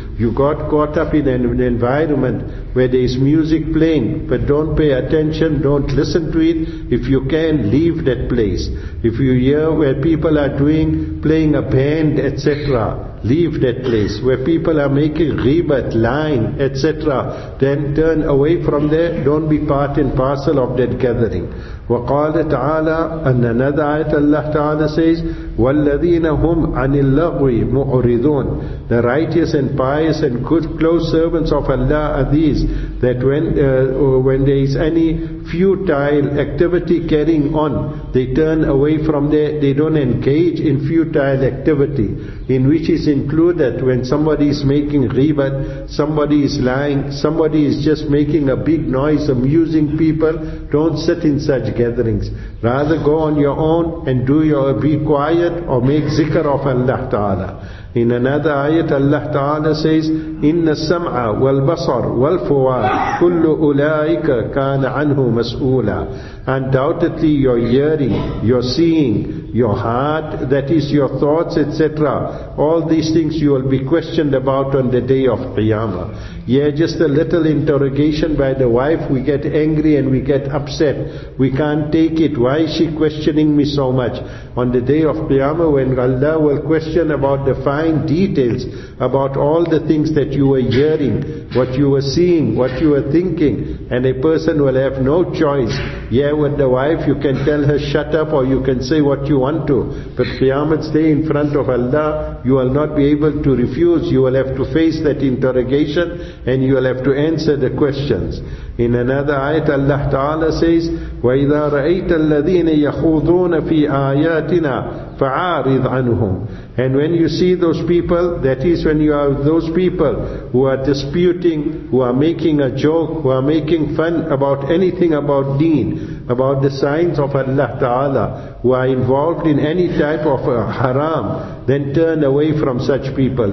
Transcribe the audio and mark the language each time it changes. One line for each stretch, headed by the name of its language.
English: You got caught up in an environment where there is music playing, but don't pay attention, don't listen to it. If you can, leave that place. If you hear where people are playing a band, etc., leave that place. Where people are making ghibat, lying, etc., then turn away from there. Don't be part and parcel of that gathering.
Arabic: وقال تعالى أن نذا آية الله تعالى
English: says
Arabic: والذين هم عن اللغو معرضون.
English: The righteous and pious and good close servants of Allah are these, that when there is any futile activity carrying on, they turn away from there. They don't engage in futile activity, in which is included when somebody is making ghibat, somebody is lying, somebody is just making a big noise, amusing people. Don't sit in such gatherings. Rather go on your own and do your, be quiet or make zikr of Allah Ta'ala. In another ayat, Allah Ta'ala says,
Arabic: إِنَّ السَّمْعَ وَالْبَصَرُ وَالْفُؤَادُ كُلُّ أُولَٰئِكَ كَانَ عَنْهُ مَسْئُولًا.
English: Undoubtedly your hearing, your seeing, your heart, that is your thoughts, etc., all these things you will be questioned about on the day of Qiyamah. Yeah, just a little interrogation by the wife, we get angry and we get upset. We can't take it. Why is she questioning me so much? On the day of Qiyamah, when Allah will question about the fine details about all the things that you were hearing, what you were seeing, what you were thinking, and a person will have no choice. Yeah, with the wife, you can tell her shut up, or you can say what you want to, but Qiyamah's day in front of Allah, you will not be able to refuse. You will have to face that interrogation and you will have to answer the questions. In another ayat, Allah Ta'ala says,
Arabic: وَإِذَا رَأَيْتَ الَّذِينَ يَخُوضُونَ فِي آيَاتِنَا فَعَارِضْ عَنْهُمْ.
English: And when you see those people, that is when you are those people who are disputing, who are making a joke, who are making fun about anything about deen, about the signs of Allah Ta'ala, who are involved in any type of haram, then turn away from such people.